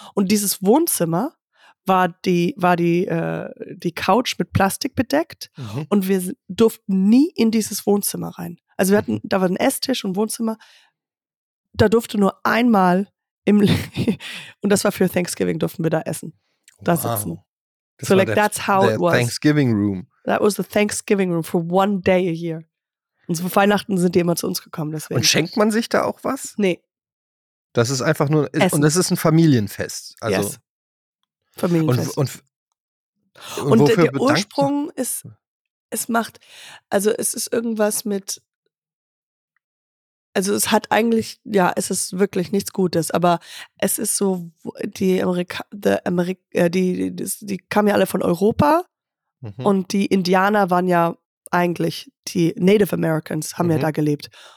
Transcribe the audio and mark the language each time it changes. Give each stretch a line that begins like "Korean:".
German: Und dieses Wohnzimmer war die Couch mit Plastik bedeckt und wir durften nie in dieses Wohnzimmer rein. Also da war ein Esstisch und Wohnzimmer. Da durfte nur einmal und das war für Thanksgiving, durften wir da essen. Da sitzen. Das
English: so like, that's how it was. Thanksgiving room. That was the Thanksgiving room for one day a year.
German: Und so Weihnachten sind die immer zu uns gekommen. Deswegen. Und schenkt man sich da auch was? Nee. Das ist einfach nur, essen. Und das ist ein Familienfest. Also. Yes. Familienfest. Und wofür der Ursprung ist, es ist irgendwas mit, also es hat eigentlich, ja, es ist wirklich nichts Gutes, aber es ist so, die kamen ja alle von Europa und die Indianer waren ja eigentlich, die Native Americans haben ja da gelebt.